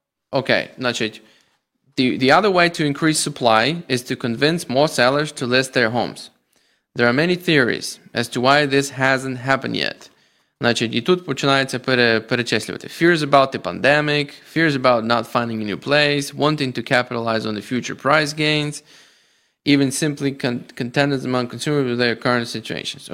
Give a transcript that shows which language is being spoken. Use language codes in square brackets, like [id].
[uk] Окей, значить, [en] the other way to increase supply is to convince more sellers to list their homes. There are many theories as to why this hasn't happened yet. [uk] Значить, і тут починається перечислювати. [en] Fears about the pandemic, fears about not finding a new place, wanting to capitalize on the future price gains, even simply contentment among consumers with their current situations.